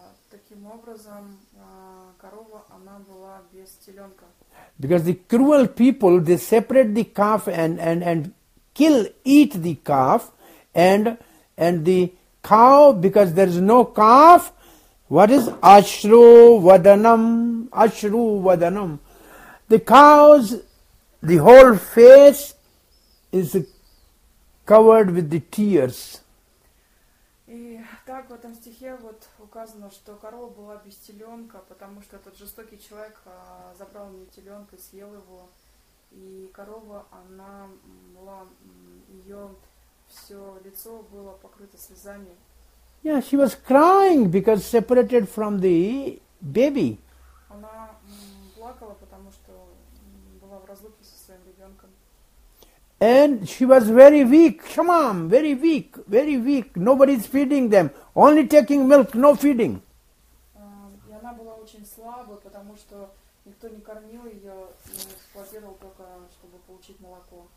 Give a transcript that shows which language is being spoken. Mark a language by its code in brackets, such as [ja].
[ru] Таким образом, корова, она была без теленка. [en] Because the cruel people, they separate the calf and kill, eat the calf, and the cow, because there is no calf, what is [sa] ashru vadanam? [en] The cows, the whole face is covered with the tears. [ru] И так в этом стихе вот указано, что корова была без теленка, потому что этот жестокий человек забрал у нее теленка и съел его. И корова, она была, ее все лицо было покрыто слезами. [en] Yeah, she was crying because separated from the baby. [ru] Она плакала, потому что была в разлуке со своим ребенком. [en] And she was very weak. Shamam, very weak, very weak. Nobody's feeding them. Only taking milk, no feeding. [ru] И она была очень слабой, потому что никто не кормил ее, эксплуатировал только, чтобы получить молоко.